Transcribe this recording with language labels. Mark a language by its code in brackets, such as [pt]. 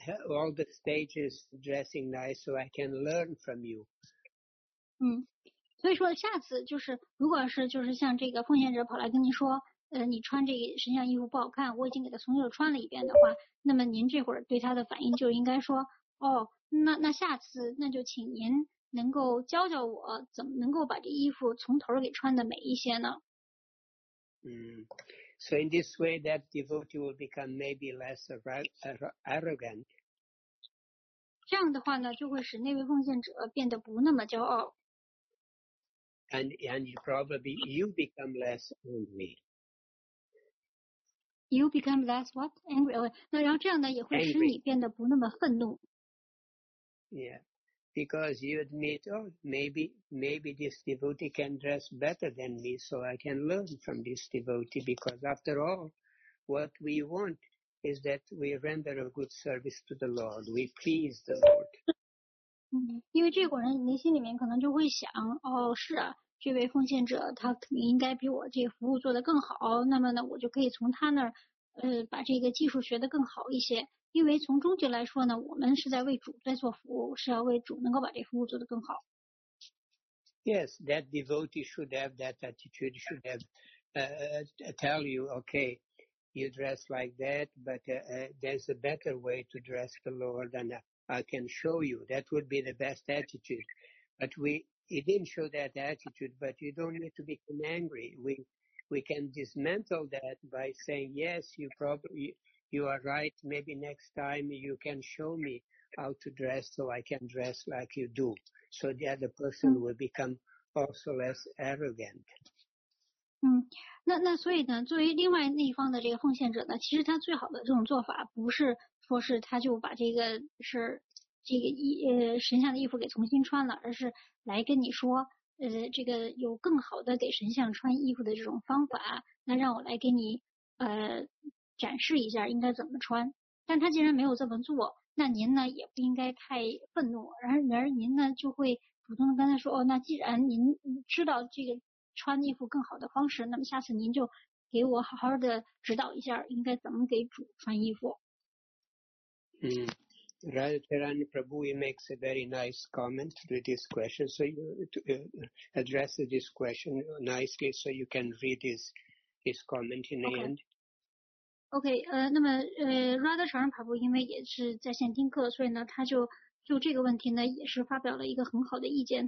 [en] All the stages dressing nice, so I can learn from you. [zh] 所以说下次就是如果是就是像这个奉献者跑来跟您说你穿这个神像衣服不好看，我已经给他重新穿了一遍的话，那么您这会儿对他的反应就应该说，哦，那下次那就请您能够教教我怎么能够把这衣服从头给穿的美一些呢。 [en] So in this way that devotee will become maybe less arrogant. [zh] 这样的话呢就会使那位奉献者变得不那么骄傲。 [en] And you probably you become less angry. You become less what angry? [zh] 那然后这样呢也会使你变得不那么愤怒。 [en] Yeah, because you admit, oh, maybe this devotee can dress better than me, so I can learn from this devotee. Because after all, what we want is that we render a good service to the Lord. We please the Lord. [zh] 因为这伙人，你心里面可能就会想，哦，是啊。这位奉献者他肯定应该比我这服务做得更好，那么呢我就可以从他那儿把这个技术学得更好一些，因为从终极来说呢我们是在为主在做服务，是要为主能够把这服务做得更好。 [en] Yes, that devotee should have that attitude, should have tell you, okay, you dress like that, but there's a better way to dress the Lord and I can show you. That would be the best attitude. But He didn't show that attitude, but you don't need to become angry. We can dismantle that by saying, yes, you are right. Maybe next time you can show me how to dress so I can dress like you do. So the other person will become also less arrogant. [zh] 那所以呢，作为另外那一方的这个奉献者呢，其实他最好的这种做法不是说是他就把这个是。这个神像的衣服给重新穿了，而是来跟你说这个有更好的给神像穿衣服的这种方法，那让我来给你展示一下应该怎么穿。但他既然没有这么做，那您呢也不应该太愤怒，然而您呢就会主动的跟他说，哦，那既然您知道这个穿衣服更好的方式，那么下次您就给我好好的指导一下应该怎么给主穿衣服。 [en] Radharani Prabhu makes a very nice comment to this question, so you address this question nicely so you can read his comment in the end. [zh] Okay, 那么Radharani Prabhu 因为也是在线听课，所以呢他就这个问题呢也是发表了一个很好的意见。